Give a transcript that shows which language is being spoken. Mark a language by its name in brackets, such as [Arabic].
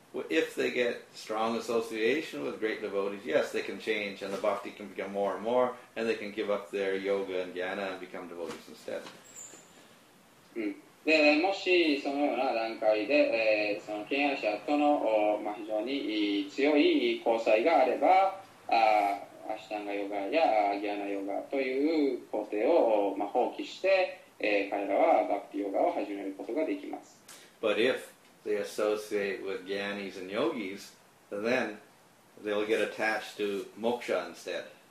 [English] If they get strong association with great devotees, yes, they can change and the bhakti can become more and more and they can give up their yoga and jnana and become devotees instead. [Japanese] で、もしそのような段階で、その敬愛者との、まあ、非常に強い交際があれば、アシュタンガヨガやジナヨガという工程を、まあ、放棄して、彼らはバクティヨガを始めることができます。 [English] But if they associate with jnanis and yogis, then they'll get attached to moksha instead.